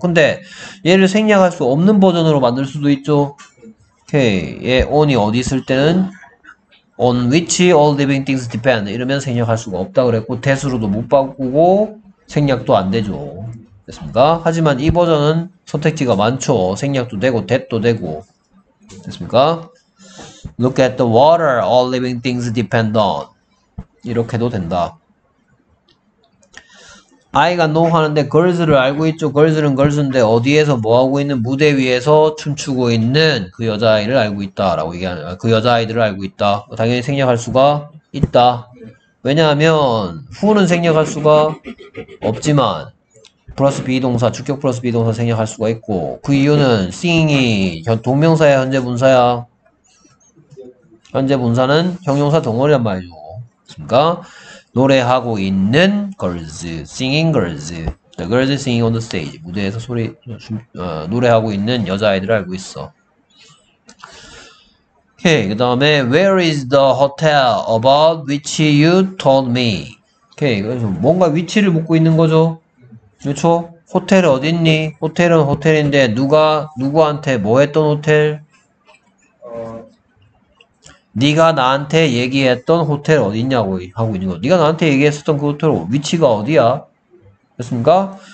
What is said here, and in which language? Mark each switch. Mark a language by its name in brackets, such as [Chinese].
[Korean] 근데 얘를 생략할 수 없는 버전으로 만들 수도 있죠. 오케이. 얘 on이 어디 있을 때는 [English] on which all living things depend [Korean] 이러면 생략할 수가 없다 그랬고 that으로도 못 바꾸고 생략도 안 되죠. 됐습니까? 하지만 이 버전은 선택지가 많죠. 생략도 되고 that도 되고. 됐습니까? [English] Look at the water all living things depend on. [Korean] 이렇게도 된다. I가 know 하는데 girls를 알고 있죠. girls는 girls인데 어디에서 뭐하고 있는 무대 위에서 춤추고 있는 그 여자아이를 알고 있다. 라고 얘기하는, 그 여자아이들을 알고 있다. 당연히 생략할 수가 있다. 왜냐하면 who는 생략할 수가 없지만 플러스 비동사, 주격 플러스 비동사 생략할 수가 있고 그 이유는 singing이 동명사야 현재 분사야. 현재 분사는 형용사 동원이란 말이죠. 그렇습니까? 노래하고 있는 girls, [English] singing girls. The girls singing on the stage. [Korean] 무대에서 소리, 노래하고 있는 여자아이들을 알고 있어. 오케이. 그 다음에, [English] where is the hotel about which you told me? [Korean] 오케이. 그래서 뭔가 위치를 묻고 있는 거죠. 그렇죠? 호텔 어딨니? 호텔은 호텔인데, 누구한테 뭐 했던 호텔? 네가 나한테 얘기했던 호텔 어딨냐고 하고 있는 거. 네가 나한테 얘기했었던 그 호텔 위치가 어디야? 됐습니까?